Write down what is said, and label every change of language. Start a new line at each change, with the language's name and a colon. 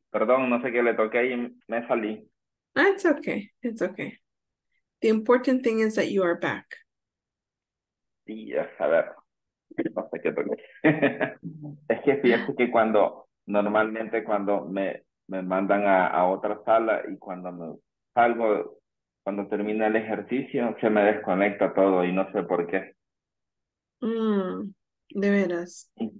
Spanish: Perdón, no sé qué le toqué y me salí.
English: It's okay. The important thing is that you are back.
Spanish: Yes, a ver. No sé qué toque. Es que fíjate que cuando, normalmente cuando me mandan a otra sala y cuando me salgo, cuando termina el ejercicio se me desconecta todo y no sé por qué. De veras.